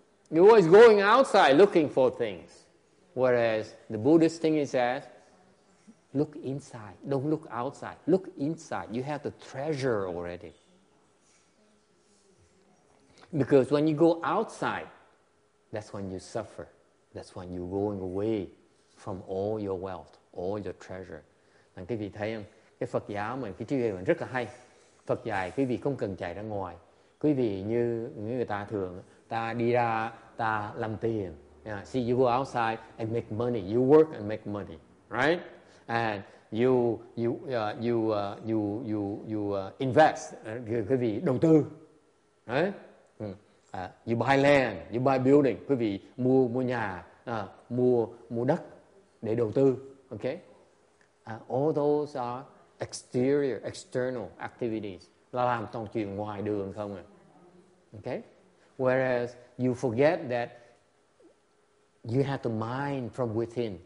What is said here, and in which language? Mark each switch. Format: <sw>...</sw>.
<en>You're always going outside looking for things. Whereas the Buddhist thing is that look inside. Don't look outside. Look inside. You have the treasure already. Because when you go outside, that's when you suffer. That's when you're going away from all your wealth, all your treasure.</en> <vi>Nên quý vị thấy không? Cái Phật giáo mình, cái chuyện mình rất là hay. Phật dạy quý vị không cần chạy ra ngoài. Quý vị như người ta thường, ta đi ra, ta làm tiền.</vi> <en>Yeah. See, you go outside and make money. You work and make money, right? And you invest.</en> <vi>Quý vị đầu tư,</vi> <en>right? You buy land, you buy building.</en> <vi>Quý vị mua nhà, mua đất để đầu tư, okay?</vi> <en>All those are exterior, external activities.</en> <vi>Là làm toàn chuyện ngoài đường không à?</vi> <en>Okay? Whereas you forget that you have to mine from within.</en>